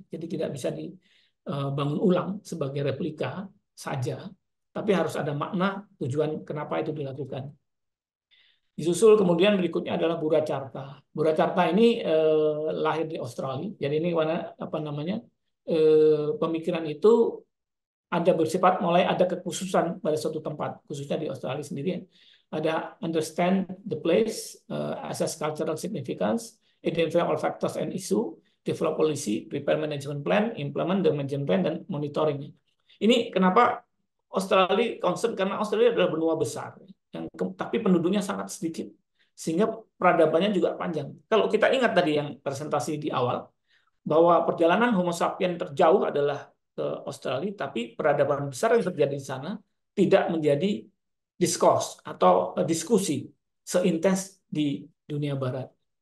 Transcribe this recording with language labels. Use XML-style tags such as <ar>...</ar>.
<id>Jadi tidak bisa dibangun ulang sebagai replika saja, tapi harus ada makna tujuan kenapa itu dilakukan. Disusul kemudian berikutnya adalah Burajakarta. Burajakarta ini lahir di Australia. Jadi ini mana apa namanya? Pemikiran itu ada bersifat mulai ada kekhususan pada suatu tempat, khususnya di Australia sendiri.</id> <en>Ada understand the place, assess cultural significance, identify all factors and issue, develop policy, prepare management plan, implement the management plan dan monitoring.</en> <id>Ini kenapa Australia concern, karena Australia adalah benua besar yang tapi penduduknya sangat sedikit sehingga peradabannya juga panjang. Kalau kita ingat tadi yang presentasi di awal bahwa perjalanan Homo sapiens terjauh adalah ke Australia, tapi peradaban besar yang terjadi di sana tidak menjadi diskurs atau diskusi seintens di dunia barat.</id>